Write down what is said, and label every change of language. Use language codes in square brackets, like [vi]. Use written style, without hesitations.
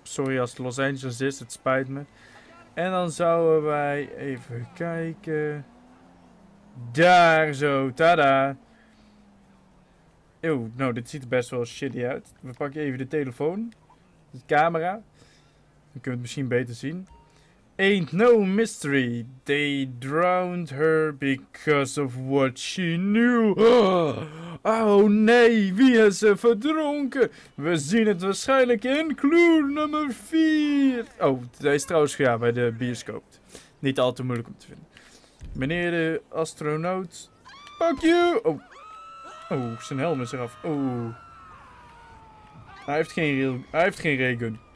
[nl] Sorry als het Los Angeles is. Het spijt me. En dan zouden wij even kijken... Daar zo, tada. Eeuw, nou dit ziet er best wel shitty uit. We pakken even de telefoon. De camera. Dan kunnen we het misschien beter zien. [en] Ain't no mystery. They drowned her because of what she knew. [nl] Oh nee, wie is ze verdronken? We zien het waarschijnlijk in clue nummer 4. Oh, dat is trouwens ja, bij de bioscoop. Niet al te moeilijk om te vinden. Meneer de astronaut. [en] Fuck you! [nl] Oh. Oh, zijn helm is eraf. Oh. Hij heeft geen raygun.